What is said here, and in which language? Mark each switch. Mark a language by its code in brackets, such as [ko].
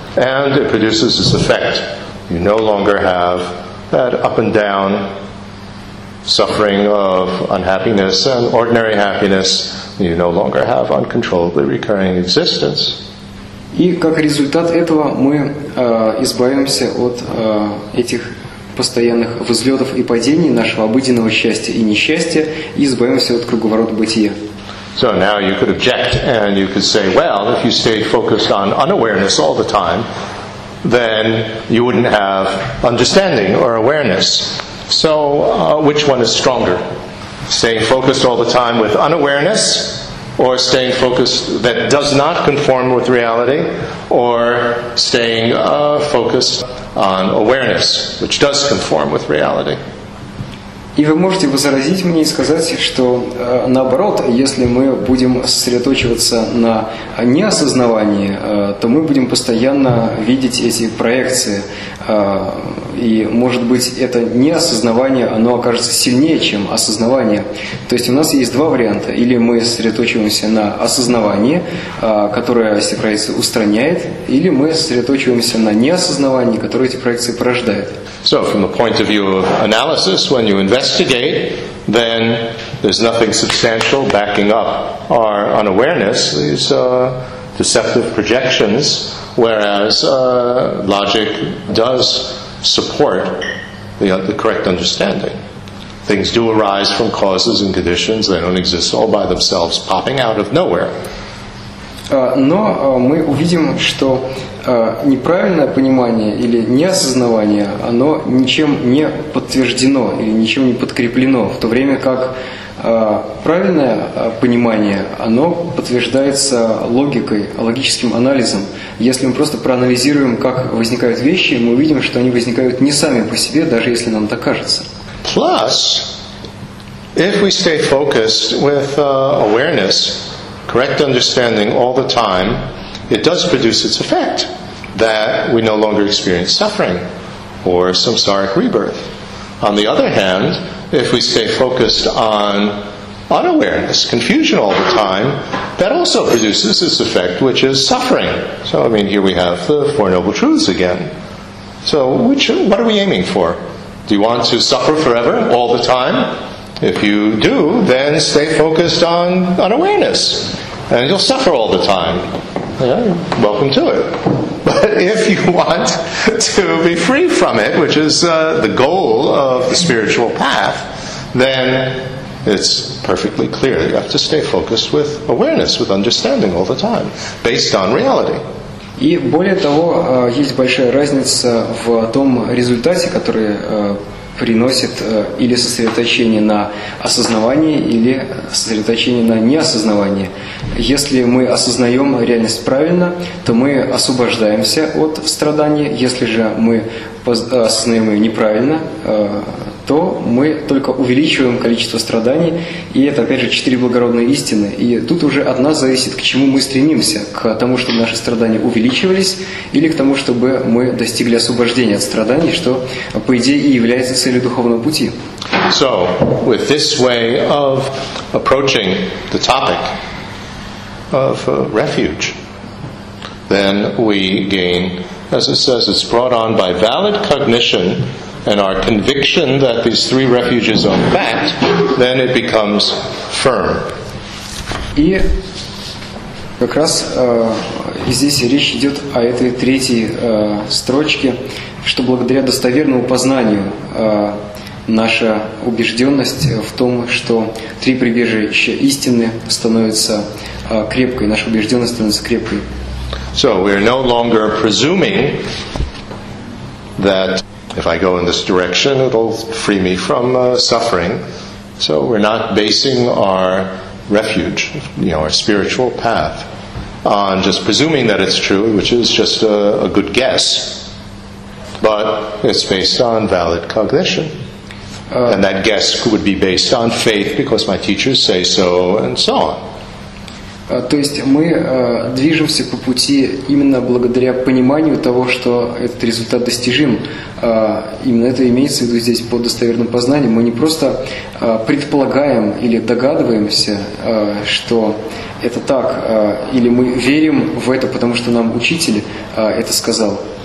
[en] And it produces this effect. You no longer have that up and down suffering of unhappiness and ordinary happiness. You no longer have uncontrollably recurring existence. [ru] И как результат этого мы избавимся от этих постоянных взлетов и падений нашего обыденного счастья и несчастья и избавимся от круговорота бытия. [en] So now you could object and you could say, well, if you stayed focused on unawareness all the time, then you wouldn't have understanding or awareness. So which one is stronger? Staying focused all the time with unawareness, or staying focused that does not conform with reality, or staying focused on awareness, which does conform with reality. [ru] И вы можете возразить мне и сказать, что наоборот, если мы будем сосредоточиваться на неосознавании, то мы будем постоянно видеть эти проекции. И, может быть, это неосознавание, оно окажется сильнее, чем осознавание. То есть у нас есть два варианта. Или мы сосредоточиваемся на осознавании, которое эти проекции устраняет, или мы сосредоточиваемся на неосознавании, которое эти проекции порождает. [en] So, from the point of view of analysis, when you investigate, then there's nothing substantial backing up our unawareness, these deceptive projections, whereas logic does support the correct understanding. Things do arise from causes and conditions, they don't exist all by themselves, popping out of nowhere. [ru] Но мы увидим, что неправильное понимание или неосознавание, оно ничем не подтверждено или ничем не подкреплено, в то время как правильное понимание, оно подтверждается логикой, логическим анализом. Если мы просто проанализируем, как возникают вещи, мы увидим, что они возникают не сами по себе, даже если нам так кажется. [en] Plus, if we stay focused with awareness, correct understanding all the time, it does produce its effect that we no longer experience suffering or samsaric rebirth. On the other hand, if we stay focused on unawareness, confusion all the time, that also produces its effect, which is suffering. So, I mean, here we have the Four Noble Truths again. So, what are we aiming for? Do you want to suffer forever, all the time? If you do, then stay focused on unawareness, and you'll suffer all the time. Yeah, welcome to it. But if you want to be free from it, which is the goal of the spiritual path, then it's perfectly clear that you have to stay focused with awareness, with understanding all the time, based on reality. [ru] И более того, есть большая разница в том результате, который приносит или сосредоточение на осознавании, или сосредоточение на неосознавании. Если мы осознаем реальность правильно, то мы освобождаемся от страданий. Если же мы осознаем ее неправильно, то мы только увеличиваем количество страданий. И это, опять же, четыре благородные истины. И тут уже от нас зависит, к чему мы стремимся. К тому, чтобы наши страдания увеличивались, или к тому, чтобы мы достигли освобождения от страданий, что, по идее, и является целью духовного пути. [en] So, with this way of approaching the topic of refuge, then we gain, as it says, it's brought on by valid cognition and our conviction that these three refuges are fact, then it becomes firm. [ru] И как раз здесь речь идет о этой третьей строчке, что благодаря достоверному познанию наша убежденность в том, что три прибежища истины становятся крепкой, наша убежденность становится крепкой. [en] So we are no longer presuming that if I go in this direction, it'll free me from suffering. So we're not basing our refuge, you know, our spiritual path, on just presuming that it's true, which is just a good guess. But it's based on valid cognition. And that guess would be based on faith, because my teachers say so, and so on. [ru] То есть мы движемся по пути именно благодаря пониманию того, что этот результат достижим. Именно это имеется в виду здесь под достоверным познанием. Мы не просто предполагаем или догадываемся, что это так, или мы верим в это, потому что нам учитель это сказал.